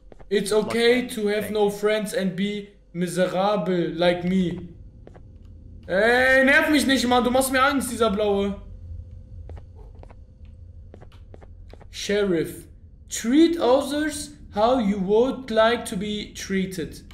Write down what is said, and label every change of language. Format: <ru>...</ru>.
<en>It's okay to have no friends and be miserable like me.</en> <de>Ey, nerv mich nicht, Mann. Du machst mir Angst, dieser Blaue.</de> <en>Sheriff. Treat others how you would like to be treated.</en>